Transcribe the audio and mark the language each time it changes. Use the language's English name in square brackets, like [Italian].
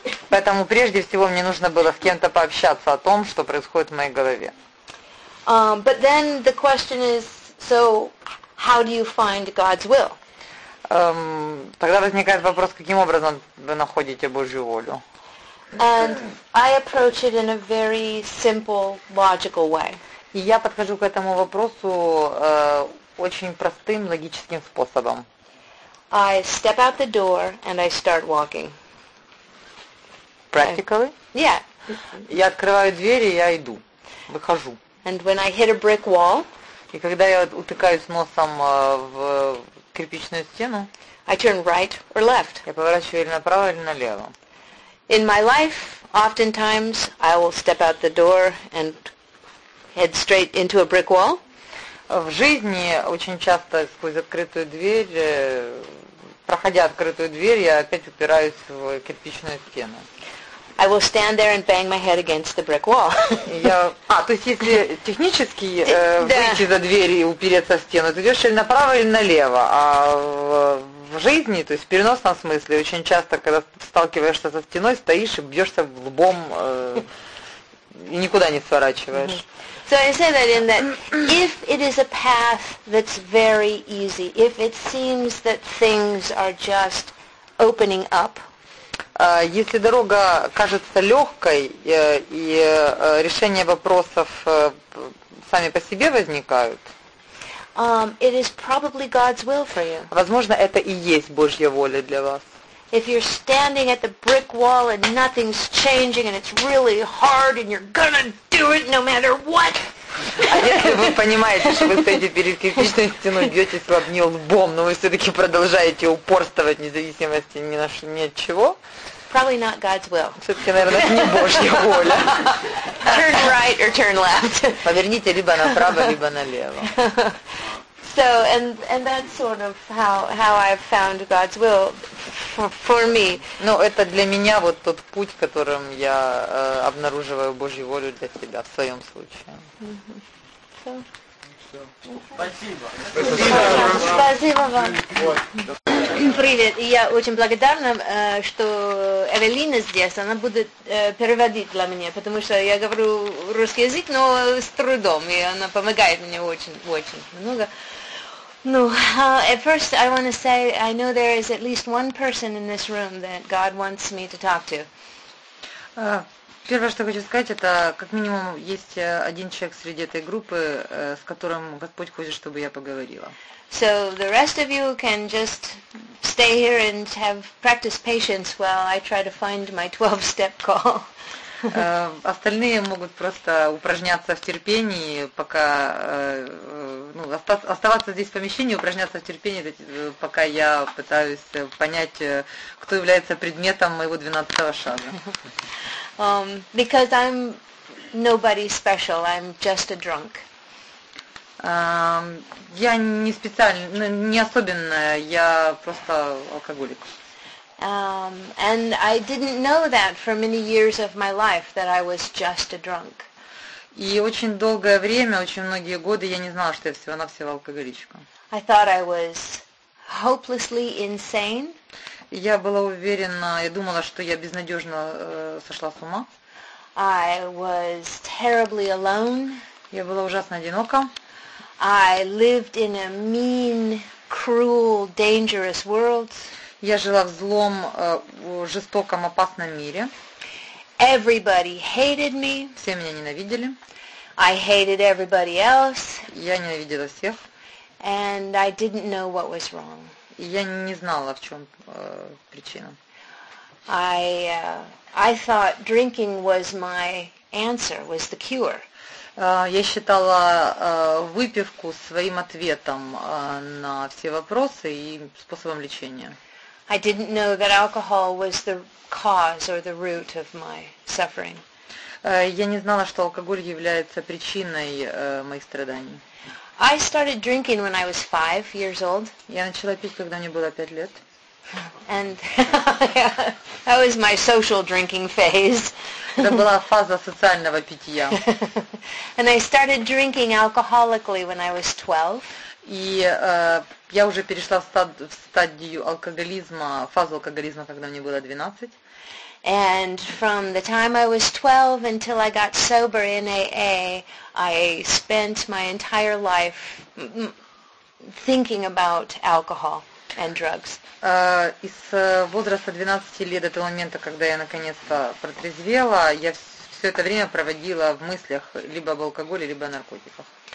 [Russian] Поэтому прежде всего мне нужно было с кем-то пообщаться о том, что происходит в моей голове. [English] But then the question is, so how do you find God's will? [Russian] Тогда возникает вопрос, каким образом вы находите Божью волю? [English] And I approach it in a very simple, logical way. [Russian] И я подхожу к этому вопросу очень простым логическим способом. [English] I step out the door and I start walking. Practically? Yeah. [Russian] Я открываю двери, я иду, выхожу. [English] And when I hit a brick wall, [Russian] и когда я утыкаюсь носом в кирпичную стену, [English] I turn right or left. [Russian] Я поворачиваю или направо, или налево. [English] In my life, oftentimes I will step out the door and head straight into a brick wall. [Russian] В жизни очень часто сквозь открытую дверь, проходя открытую дверь, я опять упираюсь в кирпичную стену. [English] I will stand there and bang my head against the brick wall. [Russian] То есть если технически выйти за дверь и упереться в стену, ты идешь или направо, или налево. А в жизни, то есть в переносном смысле, очень часто, когда сталкиваешься со стеной, стоишь и бьешься лбом и никуда не сворачиваешь. [English] So I say that in that if it is a path that's very easy, if it seems that things are just opening up, [Russian] если дорога кажется легкой и решение вопросов сами по себе возникают, [English] it is probably God's will for you. [Russian] Возможно, это и есть Божья воля для вас. [English] If you're standing at the brick wall and nothing's changing and it's really hard and you're gonna do it no matter what. [Russian] А если вы понимаете, что вы стоите перед кирпичной стеной, бьетесь об нее лбом, но вы все-таки продолжаете упорствовать, независимо ни от чего. [English] Probably not God's will. [Russian] Все-таки, наверное, это не Божья воля. [English] Turn right or turn left. [Russian] Поверните либо направо, либо налево. [English] So and that's sort of how I've found God's will. For me. [Russian] Ну, это для меня вот тот путь, которым я обнаруживаю Божью волю для себя в своем случае. Спасибо вам. Привет. И я очень благодарна, что Эвелина здесь, она будет переводить для меня, потому что я говорю русский язык, но с трудом, и она помогает мне очень-очень много. [English] No, at first I want to say I know there is at least one person in this room that God wants me to talk to. [Russian] Первое, что хочу сказать, это как минимум есть один человек среди этой группы, с которым Господь хочет, чтобы я поговорила. [English] So the rest of you can just stay here and have practice patience while I try to find my 12-step call. [Russian] остальные могут просто упражняться в терпении, пока оставаться здесь в помещении, упражняться в терпении, пока я пытаюсь понять, кто является предметом моего 12-го шага. [English] Because I'm nobody special, I'm just a drunk. [Russian] Я не специально, не особенная, я просто алкоголик. [English] And I didn't know that for many years of my life that I was just a drunk. [Russian] И очень долгое время, очень многие годы я не знала, что я всего-навсего алкоголичка. [English] I thought I was hopelessly insane. [Russian] Я была уверена, я думала, что я безнадежно сошла с ума. [English] I was terribly alone. [Russian] Я была ужасно одинока. [English] I lived in a mean, cruel, dangerous world. [Russian] Я жила в злом, жестоком, опасном мире. [English] Everybody hated me. [Russian] Все меня ненавидели. [English] I hated everybody else. [Russian] Я ненавидела всех. [English] And I didn't know what was wrong. [Russian] Я не знала, в чем причина. [English] I thought drinking was my answer, was the cure. [Russian] Я считала выпивку своим ответом на все вопросы и способом лечения. [English] I didn't know that alcohol was the cause or the root of my suffering. [Russian] Я не знала, что алкоголь является причиной моих страданий. [English] I started drinking when I was 5 years old. [Russian] Я начала пить, когда мне было 5 лет. [English] And that was my social drinking phase. [Russian] Это была фаза социального питья. [English] And I started drinking alcoholically when I was 12. [Russian] И я уже перешла в стадию алкоголизма, фазу алкоголизма, когда мне было 12. [English] And from the time I was 12 until I got sober in AA, I spent my entire life thinking about alcohol and drugs. [Russian] Из возраста 12 лет до того момента, когда я наконец-то протрезвела, я все это время проводила в мыслях либо об алкоголе, либо о наркотиках.